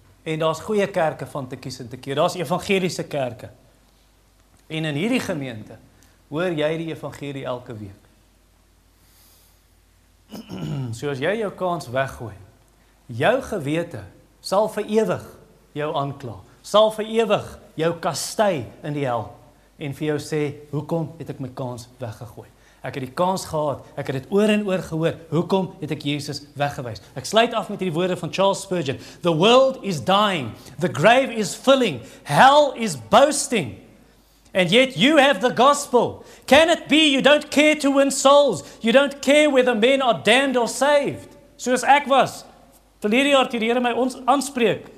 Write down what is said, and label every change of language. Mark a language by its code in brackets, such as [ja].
[af] En daar is goeie kerke van te kies en te keur. Daar is evangeliese kerke. En in hierdie gemeente hoor jy die evangelie elke week. So as jy jou kans weggooi, jou gewete sal vir ewig jou aankla. Sal vir ewig jou kastei in die hel. En vir jou sê, hoekom het ek my kans weggegooi? Ek het die kans gehad, ek het dit oor en oor gehoor, hoekom het ek Jesus weggewys? Ek sluit af met die woorde van Charles Spurgeon. [en] The world is dying, the grave is filling, hell is boasting. And yet you have the gospel. Can it be you don't care to win souls? You don't care whether men are damned or saved? [af] Soos ek was, verlede jaar toe die Here my ons aanspreek.